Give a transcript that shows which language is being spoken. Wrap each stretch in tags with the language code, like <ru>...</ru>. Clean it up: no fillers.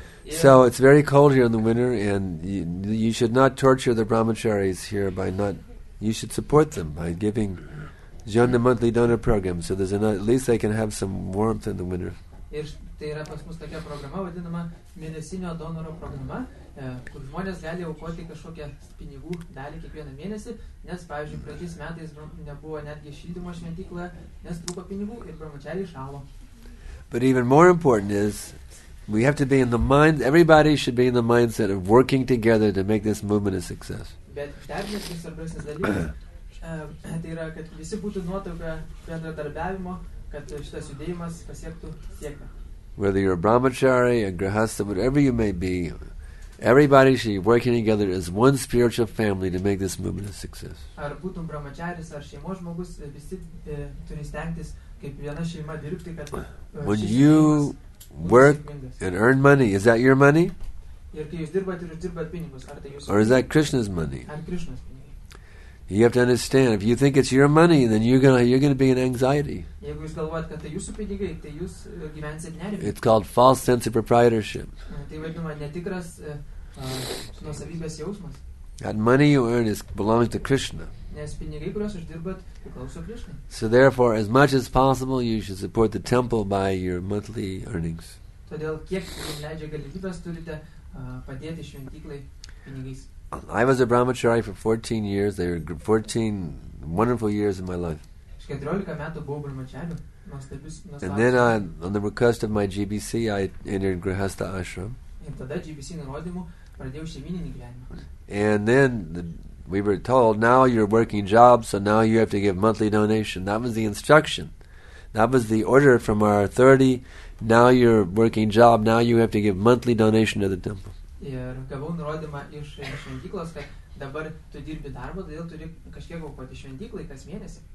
<en>So it's very cold here in the winter, and you should not torture the brahmacharis here by not... You should support them by giving Jhana monthly donor program so there's enough, at least they can have some warmth in the winter.</en> <lt>Tai yra pas mus tokia programa, vadinama mėnesinio donoro programa, kur žmonės gali aukoti kažkokią pinigų dalį kiekvieną mėnesį, nes, pavyzdžiui, praeitais metais nebuvo netgi šildymo šventykloje, nes trūko pinigų ir bramučiai išalo.</lt> <en>But even more important is we have to be in the mind, everybody should be in the mindset of working together to make this movement a success.</en> <lt>Bet dar netgi svarbesnis dalykas, tai yra, kad visi būtų nuotauka bendradarbiavimo, kad šitas judėjimas pasiektų sieką.</lt> <en>Whether you're a brahmachari, a grihastha, whatever you may be, everybody should be working together as one spiritual family to make this movement a success.</en> <lt>Ar būtum brahmacharis, ar šeimos žmogus, visi turi stengtis kaip viena šeima dirbti, kad</lt> <en>when you work and earn money, is that your money?</en> <lt>Ir kai jūs dirbat ir uždirbat pinigus, ar tai jūsų?</lt> <en>Or is that Krishna's money?</en> <lt>Ar Krishna's pinigai?</lt> <en>You have to understand, if you think it's your money, then you're gonna be in anxiety.</en> <lt>Jeigu jūs galvojat, kad tai jūsų pinigai, tai jūs gyvensit nerimi.</lt> <en>It's called false sense of proprietorship.</en> <lt>Tai vadinama netikras nuosavybės jausmas.</lt> <en>That money you earn belongs to Krishna.</en> <lt>Nes pinigai, kuriuos uždirbat, priklauso Krishna.</lt> <en>So therefore, as much as possible, you should support the temple by your monthly earnings.</en> <lt>Todėl, kiek leidžia galimybės, turite padėti šventyklai pinigais.</lt> <en>I was a brahmachari for 14 years. They were 14 wonderful years in my life.</en> <lt>Aš 14 metų buvau brahmachariu.</lt> <en>And then on the request of my GBC, I entered grihastha ashram.</en> <lt>Ir tada GBC nurodymu pradėjau šeimininį gyvenimą.</lt> <en>And then we were told, now you're working jobs, so now you have to give monthly donation. That was the instruction. That was the order from our authority. Now you're working job, now you have to give monthly donation to the temple.</en> <lt>Ir gavau nurodymą iš šventyklos, kad dabar tu dirbi darbą, todėl turi kažkiek aukoti šventyklai kas mėnesį.</lt>